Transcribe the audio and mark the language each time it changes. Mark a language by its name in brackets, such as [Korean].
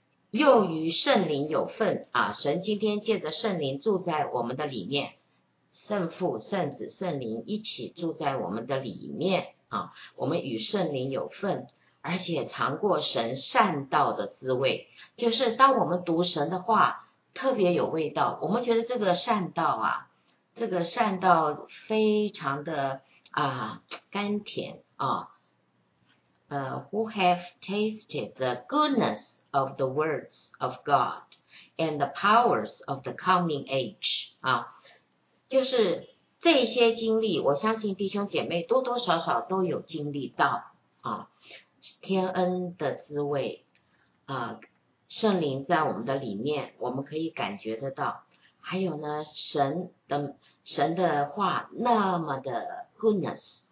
[Chinese] 又与圣灵有份啊，神今天借着圣灵住在我们的里面，圣父、圣子、圣灵一起住在我们的里面啊，我们与圣灵有份，而且尝过神善道的滋味，就是当我们读神的话特别有味道，我们觉得这个善道啊，这个善道非常的啊甘甜啊。 [English] Who have tasted the goodness of the words of God and the powers of the coming age? [Chinese] 啊，就是这些经历，我相信弟兄姐妹多多少少都有经历到啊，天恩的滋味啊，圣灵在我们的里面，我们可以感觉得到。还有呢，神的话那么的 goodness。